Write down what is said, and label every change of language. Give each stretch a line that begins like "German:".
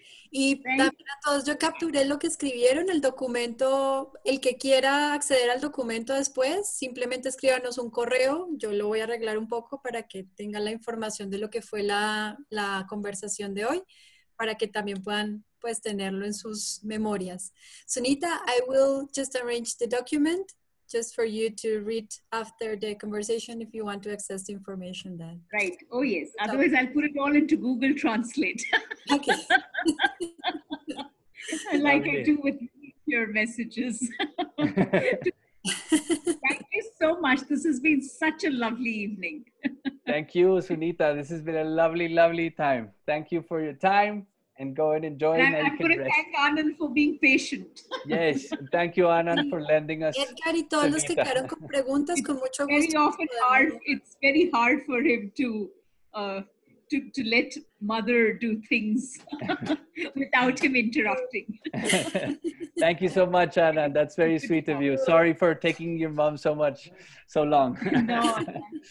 Spanish: Y también a todos, yo capturé lo que escribieron, el documento, el que quiera acceder al documento después, simplemente escríbanos un correo, yo lo voy a arreglar un poco para que tengan la información de lo que fue la conversación de hoy, para que también puedan pues tenerlo en sus memorias.
English: Sunita, I will just arrange the document just for you to read after the conversation if you want to access the information then. Right. Oh, yes. Otherwise, I'll put it all into Google Translate. Okay. Like I do with your messages. Thank you so much. This has been such a lovely evening. Thank you, Sunita. This has been a lovely, lovely time. Thank you for your time. And go and enjoy. And I'm going to thank Anand for being patient. Yes, thank you, Anand, for lending us.
Spanish: Edgar y todos los que quedaron con preguntas, con mucho gusto.
English: Very often hard. It's very hard for him to let mother do things without him interrupting. Thank you so much, Anand. That's very sweet of you. Sorry for taking your mom so long.